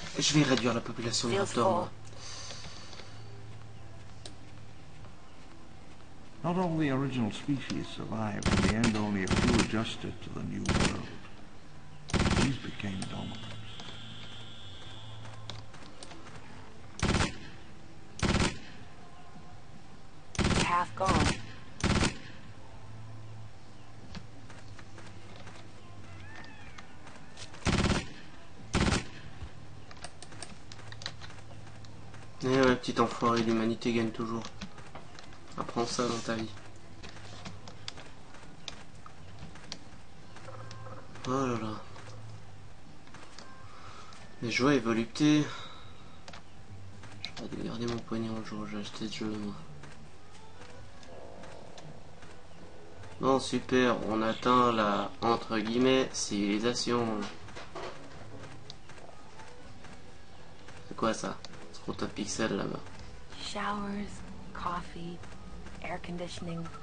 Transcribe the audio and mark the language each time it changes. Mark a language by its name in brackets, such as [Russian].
[French] Je vais réduire la population des raptors, moi. [English] Not all the original species survived. In the end, only a few adjusted to the new world. Became dominant. Half gone. [French] Eh ouais, petit enfoiré, l'humanité gagne toujours. Apprends ça dans ta vie. Oh là là. Mais joie et volupté. J'aurais dû garder mon poignet le jour où j'ai acheté ce jeu, moi. Bon, super, on atteint la, entre guillemets, civilisation. C'est quoi ça? C'est trop de pixels là-bas. [English] Showers, coffee, air conditioning.